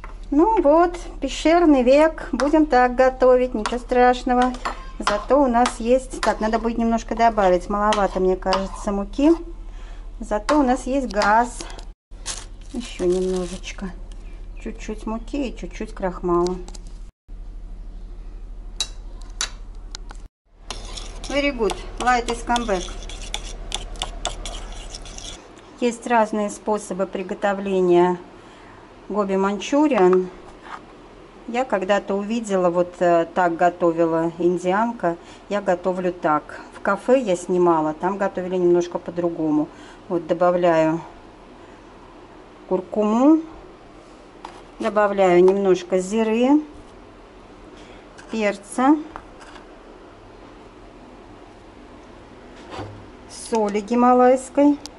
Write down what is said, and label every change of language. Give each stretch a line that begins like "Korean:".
Russian: Ну вот, пещерный век, будем так готовить, ничего страшного. Зато у нас есть, так, надо будет немножко добавить, маловато, мне кажется, муки. Зато у нас есть газ. Еще немножечко, чуть-чуть муки и чуть-чуть крахмала.
English: Very good, light is come back.
Russian: Есть разные способы приготовления Гоби Манчуриан. Я когда-то увидела, вот так готовила индианка, я готовлю так. В кафе я снимала, там готовили немножко по-другому. Вот добавляю куркуму, добавляю немножко зиры, перца, соли гималайской.